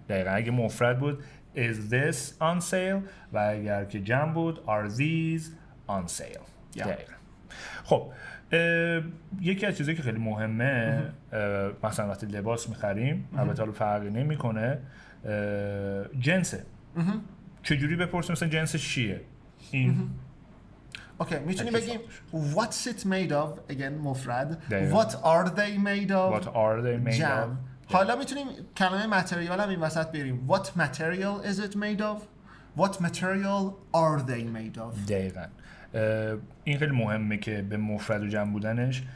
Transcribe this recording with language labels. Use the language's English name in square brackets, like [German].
[Persian] دقیقاً اگه مفرد بود [English] is this on sale، [Persian] و اگر که جمع بود [English] are these on sale. [Persian] خب یکی از چیزایی که خیلی مهمه مثلا وقتی لباس می‌خریم، البته حالا فرقی نمی‌کنه جنسه، چجوری بپرسیم مثلا جنسش چیه. اوکی میتونی بگیم [English] what's it made of again [Persian] مفرد، [English] what are they made of، what are they made [Persian] جمع. [English] of. [Persian] حالا میتونیم کلمه material هم این وسط بیاریم، [English] what material is it made of، what material are they made of. [Persian] دقیقاً این خیلی مهمه که به مفرد و جمع بودنش